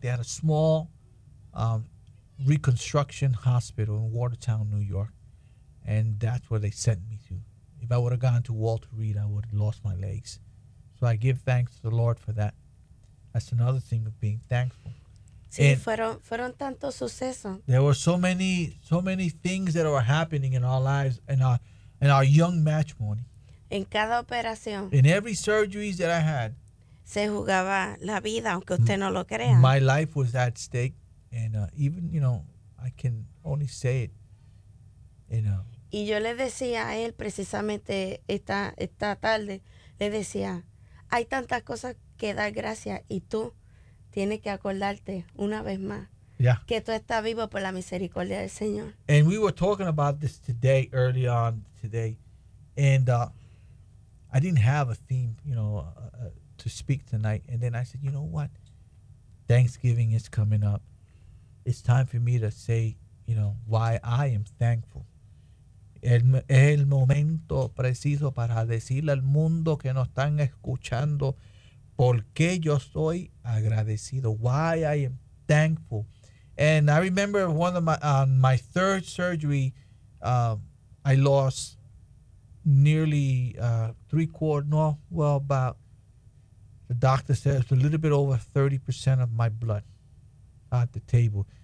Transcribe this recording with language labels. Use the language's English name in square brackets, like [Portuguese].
[English] They had a small reconstruction hospital in Watertown, New York, and that's where they sent me to. If I would have gone to Walter Reed, I would have lost my legs. So I give thanks to the Lord for that. That's another thing of being thankful. [Spanish] Sí, fueron tantos sucesos. [English] There were so many things that were happening in our lives and our young matrimony. [Spanish] En cada operación. [English] In every surgery that I had. [Spanish] Se jugaba la vida, aunque usted no lo crea. [English] My life was at stake, and even I can only say it. [Spanish] Y yo le decía a él precisamente esta tarde, le decía, hay tantas cosas que dar gracias y tú. Tienes que acordarte una vez más que tú estás vivo por la misericordia del Señor. [English] And we were talking about this today, early on today, and I didn't have a theme, to speak tonight. And then I said, you know what? Thanksgiving is coming up. It's time for me to say, why I am thankful. [Spanish] El momento preciso para decirle al mundo que nos están escuchando. ¿Por qué yo soy agradecido? [English] Why I am thankful. And I remember one of my third surgery, I lost nearly about, the doctor says, a little bit over 30% of my blood at the table.